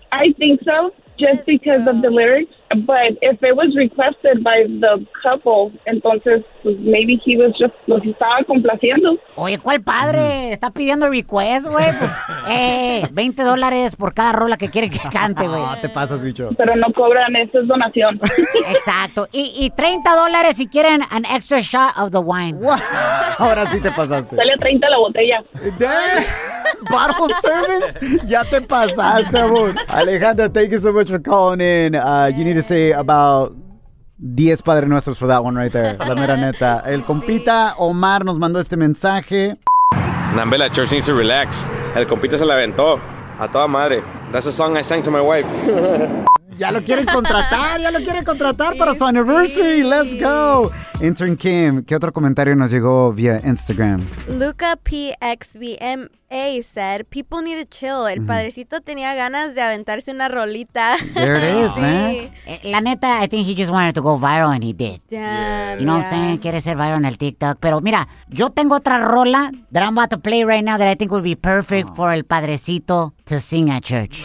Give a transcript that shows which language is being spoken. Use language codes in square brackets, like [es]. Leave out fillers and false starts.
[en] I think so, just because of the lyrics. But if it was requested by the couple, [es] entonces [en] maybe he was just, [es] los estaba complaciendo. Oye, ¿cuál padre? Está pidiendo request, güey. Pues, $20 por cada rola que quiere que cante, güey. No, te pasas, bicho. Pero no cobran, eso es donación. Exacto. Y $30 si quieren [en] an extra shot of the wine. [es] Ahora sí te pasaste. Sale $30 la botella. [en] Damn. Bottle service, [es] ya te pasaste, amor. [en] Alejandra, thank you so much for calling in. You need to say about 10 Padre Nuestros for that one right there. [es] La mera neta. El compita Omar nos mandó este mensaje. [en] Nambela Church needs to relax. [es] El compita se la aventó. A toda madre. [en] That's a song I sang to my wife. [es] Ya lo quieren contratar, ya lo quieren contratar para su anniversary. [en] Let's go. [es] Intern Kim, ¿qué otro comentario nos llegó vía Instagram? [en] Luca PXVMA said, people need to chill. [es] El padrecito tenía ganas de aventarse una rolita. [en] There it is, sí, man. [es] La neta, [en] I think he just wanted to go viral and he did. Damn, yeah. You know what I'm saying? [es] Quiere ser viral en el TikTok. Pero mira, yo tengo otra rola [en] that I'm about to play right now that I think would be perfect for [es] el padrecito [en] to sing at church.